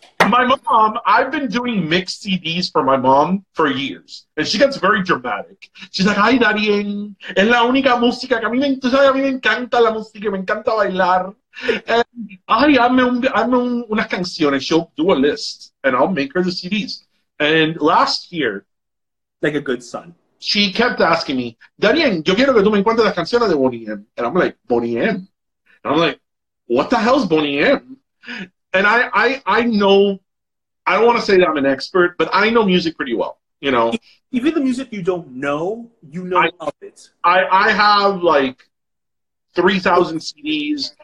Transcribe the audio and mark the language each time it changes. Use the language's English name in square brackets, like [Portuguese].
[English] My mom, I've been doing mixed CDs for my mom for years, and she gets very dramatic. She's like, [Spanish] ay, Darien, es la única música que a mí me encanta la música, me encanta bailar. [English] And, [Spanish] ay, hazme unas canciones. [English] She'll do a list, and I'll make her the CDs. And last year, like a good son, she kept asking me, [Spanish] Darien, yo quiero que tú me encuentres las canciones de Boney M. [English] And I'm like, Boney M? And I'm like, what the hell is Boney M? And I know, I don't want to say that I'm an expert, but I know music pretty well, you know. Even the music you don't know, you know of it. I have like 3,000 CDs.